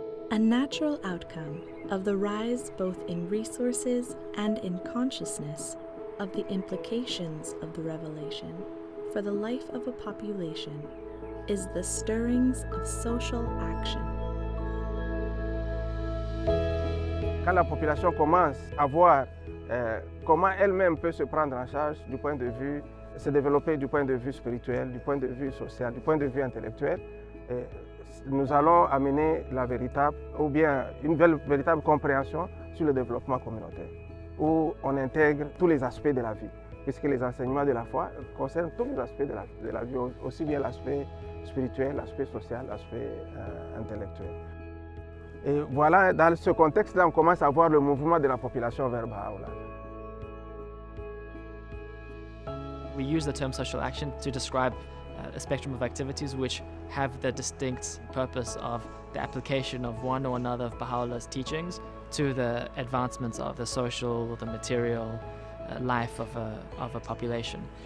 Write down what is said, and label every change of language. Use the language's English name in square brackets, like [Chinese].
[English] A natural outcome of the rise both in resources and in consciousness of the implications of the revelation for the life of a population is the stirrings of social action. [French] Quand la population commence à voir comment elle-même peut se prendre en charge du point de vue, se développer du point de vue spirituel, du point de vue social, du point de vue intellectuel, nous allons amener la véritable, ou bien une véritable compréhension sur le développement communautaire, où on intègre tous les aspects de la vie, puisque les enseignements de la foi concernent tous les aspects de la vie, aussi bien l'aspect spirituel, l'aspect social, l'aspect intellectuel. Et voilà, dans ce contexte-là, on commence à voir le mouvement de la population vers Bahá'u'lláh. [English] We use the term social action to describe a spectrum of activities which have the distinct purpose of the application of one or another of Baha'u'llah's teachings to the advancements of the social or the material life of a population.